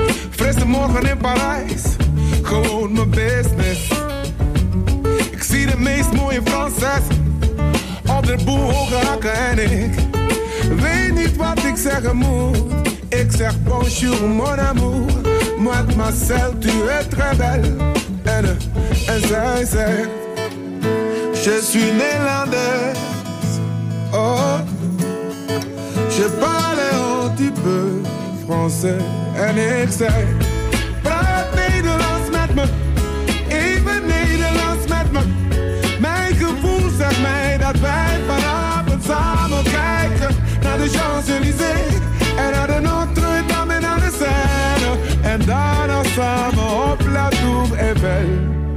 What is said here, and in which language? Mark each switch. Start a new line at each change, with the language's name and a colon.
Dutch: Frisse morgen in Parijs, gewoon mijn business. Ik zie de meest mooie Franses op de boel hoge hakken en ik weet niet wat ik zeggen moet. Ik zeg
French: bonjour mon amour, mademoiselle, tu es très belle.
Dutch: En zij zegt,
French: je suis Nederlandaise. Oh, je parle un petit peu français.
Dutch: En ik zeg, praat Nederlands met me, even Nederlands met me. Mijn gevoel zegt mij dat wij vanavond samen kijken naar de Champs-Élysées. En naar de Notre-Dame en naar de Seine. En daarna samen op La Tour Eiffel.